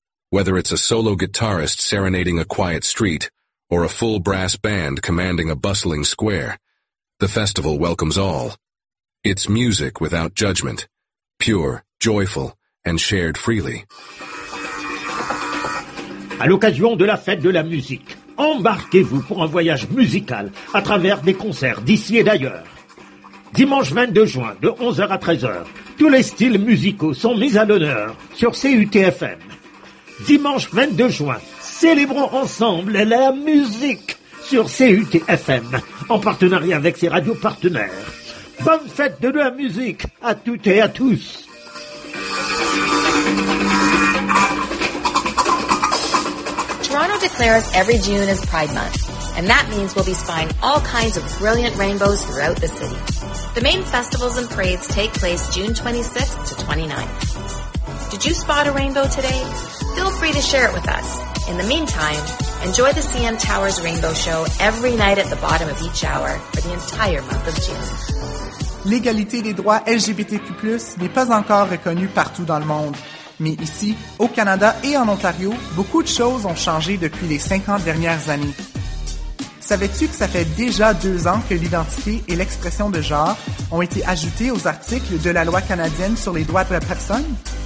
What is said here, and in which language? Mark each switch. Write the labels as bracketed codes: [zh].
[en] Whether it's a solo guitarist serenading a quiet street or a full brass band commanding a bustling square, the festival welcomes all. It's music without judgment, pure, joyful, and shared freely. [fr] À l'occasion de la Fête de la Musique, embarquez-vous pour un voyage musical à travers des concerts d'ici et d'ailleurs. Dimanche 22 juin, de 11h à 13h, tous les styles musicaux sont mis à l'honneur sur CUTFM. Dimanche 22 juin, célébrons ensemble la musique sur CUTFM, en partenariat avec ses radios partenaires. Bonne fête de la musique à toutes et à tous. [en] Toronto declares every June as Pride Month, and that means we'll be spying all kinds of brilliant rainbows throughout the city. The main festivals and parades take place June 26th to 29th. Did you spot a rainbow today? Feel free to share it with us. In the meantime, enjoy the CN Tower's Rainbow Show every night at the bottom of each hour for the entire month of June. [fr] L'égalité des droits LGBTQ+, n'est pas encore reconnue partout dans le monde. Mais ici, au Canada et en Ontario, beaucoup de choses ont changé depuis les 50 dernières années. Savais-tu que ça fait déjà 2 ans que l'identité et l'expression de genre ont été ajoutées aux articles de la loi canadienne sur les droits de la personne?